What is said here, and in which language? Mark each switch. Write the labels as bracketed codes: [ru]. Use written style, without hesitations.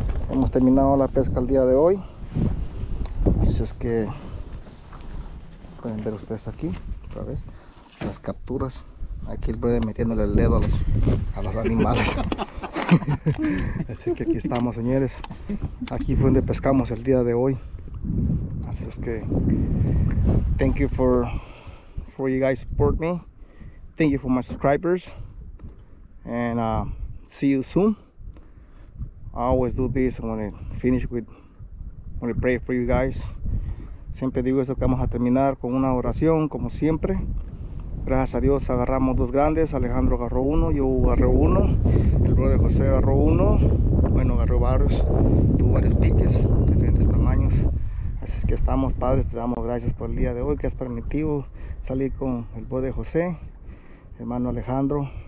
[es] Hemos terminado la pesca el día de hoy. Así es que pueden ver ustedes aquí otra vez las capturas. Aquí el brother metiéndole el dedo a los animales. Así que aquí estamos, señores. Aquí fue donde pescamos el día de hoy. Así es que [en] thank you for you guys support me. Thank you for my subscribers. And see you soon. I always do this when I finish with when I pray for you guys. [es] Siempre digo eso, que vamos a terminar con una oración, como siempre. Gracias a Dios agarramos dos grandes. Alejandro agarró uno, yo agarré uno. El brother José agarró uno. Bueno, agarró varios. Tuvo varios piques, diferentes tamaños. que estamos, Padre, te damos gracias por el día de hoy que has permitido salir con el buey de José, hermano Alejandro.